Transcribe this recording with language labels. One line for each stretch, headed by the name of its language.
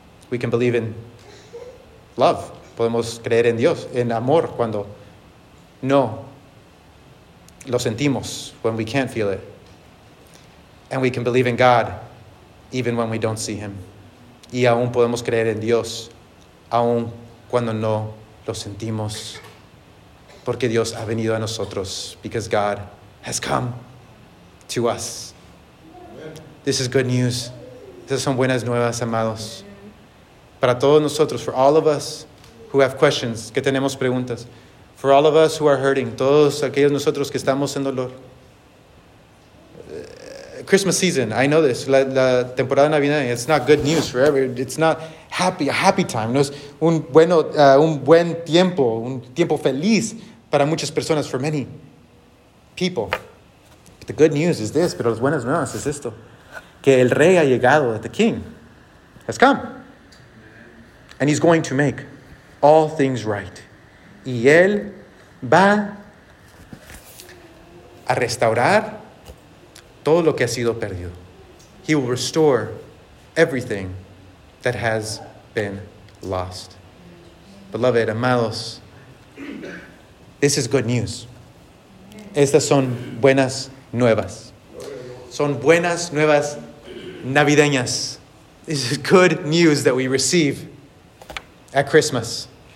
English: We can believe in love.
Spanish: Podemos creer en Dios, en amor, cuando no lo sentimos,
English: when we can't feel it. And we can believe in God, even when we don't see Him.
Spanish: Y aún podemos creer en Dios, aún cuando no lo sentimos. Porque Dios ha venido a nosotros.
English: Because God has come to us. This is good news.
Spanish: Estas son buenas nuevas, amados. Para todos nosotros,
English: for all of us who have questions,
Spanish: que tenemos preguntas,
English: for all of us who are hurting,
Spanish: todos aquellos nosotros que estamos en dolor.
English: Christmas season, I know this,
Spanish: la temporada de Navidad,
English: it's not good news for everyone. It's not a happy time.
Spanish: No es un buen tiempo, un tiempo feliz para muchas personas,
English: for many people. But the good news is this,
Spanish: pero las buenas nuevas es esto, que el rey ha llegado,
English: that the king has come. And he's going to make all things right.
Spanish: Y él va a restaurar todo lo que ha sido perdido.
English: He will restore everything that has been lost. Beloved, amados, this is good news.
Spanish: Estas son buenas nuevas. Son buenas nuevas navideñas.
English: This is good news that we receive at Christmas.